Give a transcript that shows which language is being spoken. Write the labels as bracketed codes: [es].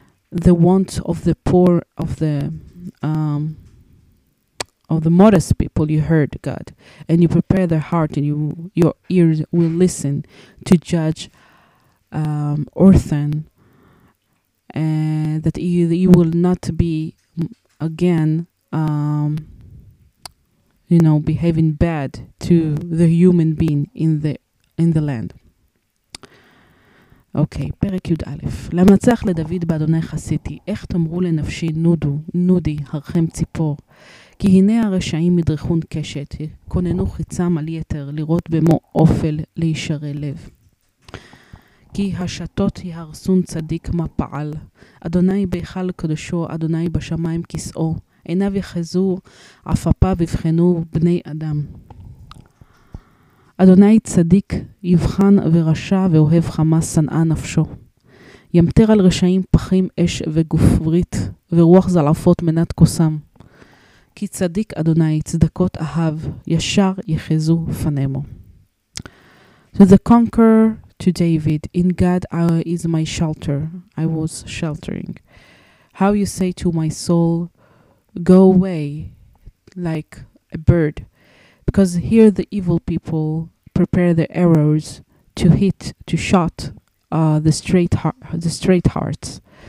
[en] The want of the poor, of the modest people, you heard, God, and you prepare their heart, and your ears will listen to judge orphan, and that you will not be again you know, behaving bad to the human being in the land. [he] אוקיי, פרק י' א', למנצח לדוד באדוני חסיתי, איך תאמרו לנפשי נודו, נודי, הרחם ציפור? כי הנה הרשעים מדרכון קשת, כוננו חיצם על יתר, לראות במו אופל להישרי לב. כי השתות יהרסון צדיק מה פעל, אדוני בהיכל קדושו, אדוני בשמיים כסאו, עיניו יחזו, עפפה ובחנו בני אדם. אדוני צדיק יבחן ורשע ואוהב חמה שנאה נפשו. ימטר על רשעים פחים אש וגופרית ורוח זלעפות מנת כוסם. כי צדיק אדוני צדקות אהב, ישר יחזו פנמו. [en] To the conqueror, to David, in God is my shelter. I was sheltering. How you say to my soul, go away like a bird. Because here the evil people prepare the arrows to shoot the straight hearts.